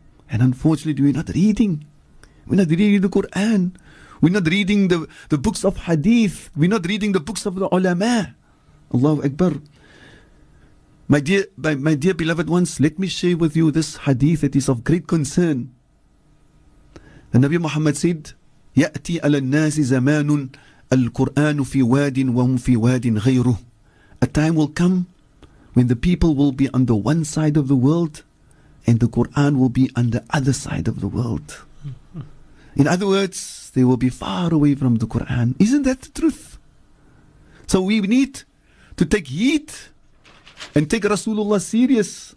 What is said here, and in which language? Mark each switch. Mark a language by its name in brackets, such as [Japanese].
[English] And unfortunately, we're not reading. We're not reading the Quran. We're not reading the books of hadith. We're not reading the books of the ulama. Allahu Akbar. My dear beloved ones, let me share with you this hadith that is of great concern. The Nabi Muhammad said, [Arabic] يأتي على الناس زمان القرآن في واد وهم في واد غيره. [English] A time will come when the people will be on the one side of the world and the Quran will be on the other side of the world. In other words, they will be far away from the Quran. Isn't that the truth? So we need to take heed and take Rasulullah serious.